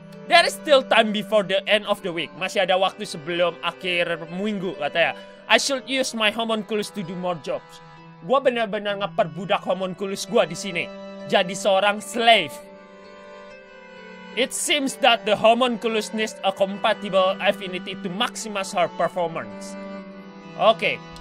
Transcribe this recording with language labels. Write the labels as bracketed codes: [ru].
[en] There is still time before the end of the week. [id] Masih ada waktu sebelum akhir minggu katanya. [en] I should use my homunculus to do more jobs. [id] Gue benar-benar ngeperbudak homunculus gue di sini. Jadi seorang slave. [en] It seems that the homunculus needs a compatible affinity to maximize her performance. Okay.